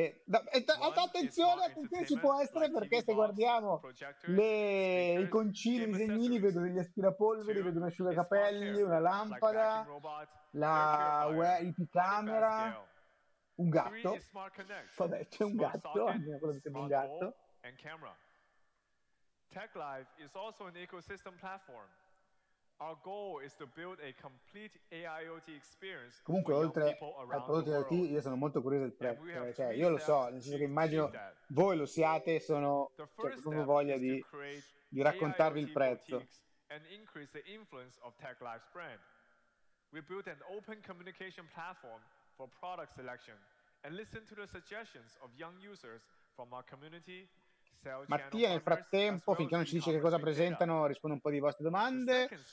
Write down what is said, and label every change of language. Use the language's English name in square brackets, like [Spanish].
[Italian] Attenzione, attenzione, ci può essere, perché se guardiamo i concili, i disegnini, vedo degli aspirapolveri, vedo un asciugacapelli, una lampada, la IP camera. Un gatto, vabbè, c'è un gatto, almeno quello che sembra un gatto. [English] TechLive is also an ecosystem platform. Our goal is to build a complete AIOT experience. [Italian] Comunque, oltre al prodotto IoT, io sono molto curioso del prezzo. Cioè, io lo so, nel senso che immagino voi lo siate, sono proprio voglia di raccontarvi il prezzo. [English] And increase the influence of TechLive's brand. We built an open communication platform for product selection and listen to the suggestions of young users from our community. [Italian] Mattia, nel frattempo, finché non ci dice che cosa presentano, rispondo un po' di vostre domande.